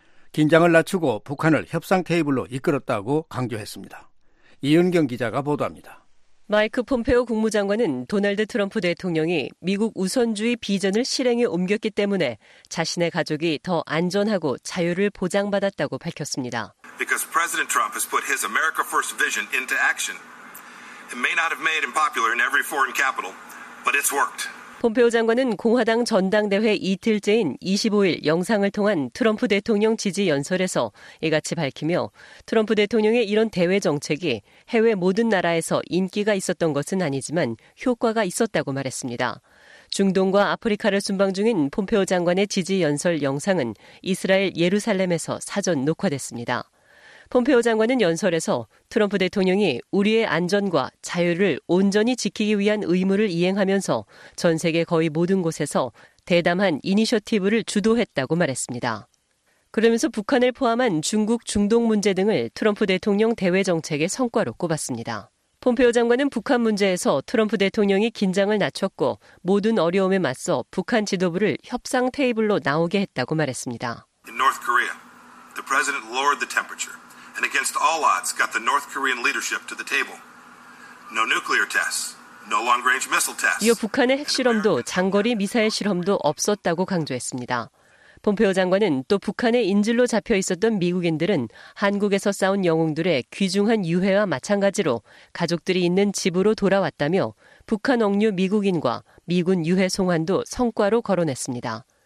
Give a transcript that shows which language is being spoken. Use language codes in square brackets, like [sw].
[ko] 긴장을 낮추고 북한을 협상 테이블로 이끌었다고 강조했습니다. 이은경 기자가 보도합니다. 마이크 폼페이오 국무장관은 도널드 트럼프 대통령이 미국 우선주의 비전을 실행에 옮겼기 때문에 자신의 가족이 더 안전하고 자유를 보장받았다고 밝혔습니다. [en] Because President Trump has put his America First vision into action. It may not have made him popular in every foreign capital, but it's worked. [ko] 폼페이오 장관은 공화당 전당대회 이틀째인 25일 영상을 통한 트럼프 대통령 지지 연설에서 이같이 밝히며 트럼프 대통령의 이런 대외 정책이 해외 모든 나라에서 인기가 있었던 것은 아니지만 효과가 있었다고 말했습니다. 중동과 아프리카를 순방 중인 폼페이오 장관의 지지 연설 영상은 이스라엘 예루살렘에서 사전 녹화됐습니다. 폼페이오 장관은 연설에서 트럼프 대통령이 우리의 안전과 자유를 온전히 지키기 위한 의무를 이행하면서 전 세계 거의 모든 곳에서 대담한 이니셔티브를 주도했다고 말했습니다. 그러면서 북한을 포함한 중국 중동 문제 등을 트럼프 대통령 대외 정책의 성과로 꼽았습니다. 폼페이오 장관은 북한 문제에서 트럼프 대통령이 긴장을 낮췄고 모든 어려움에 맞서 북한 지도부를 협상 테이블로 나오게 했다고 말했습니다. [en] In North Korea, the president lowered the temperature. And against all odds, got the North Korean leadership to the table. No nuclear tests, no long-range missile tests. [ko] 이어 북한의 핵실험도 장거리 미사일 실험도 없었다고 강조했습니다. 폼페이오 장관은 또 북한의 인질로 잡혀 있었던 미국인들은 한국에서 싸운 영웅들의 귀중한 유해와 마찬가지로 가족들이 있는 집으로 돌아왔다며 북한 억류 미국인과 미군 유해 송환도 성과로 거론했습니다.